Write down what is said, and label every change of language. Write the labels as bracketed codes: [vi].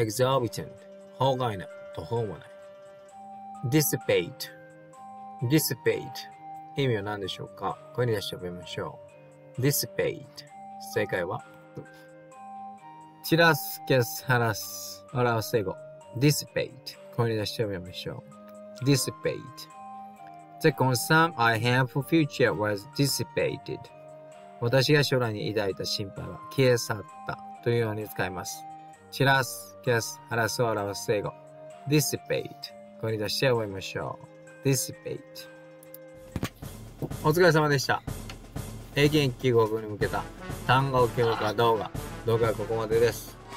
[en] Exorbitant [ja] 法外な、途方もない。 [en] Dissipate. Dissipate. [ja] 意味は何でしょうか？声に出して覚えましょう。 Dissipate. 正解は散らす、消す、晴らす。表す英語。Dissipate. 声に出して覚えましょう。 [en] Dissipate. The concern I have for future was dissipated. [ja] 私が将来に抱いた心配は消え去ったというように使います。散らす、消す、晴らすを表す英語。Dissipate. これで試合を終えましょう。 [en] Dissipate. [ja] お疲れ様でした。英検1級合格に向けた単語強化動画。動画はここまでです。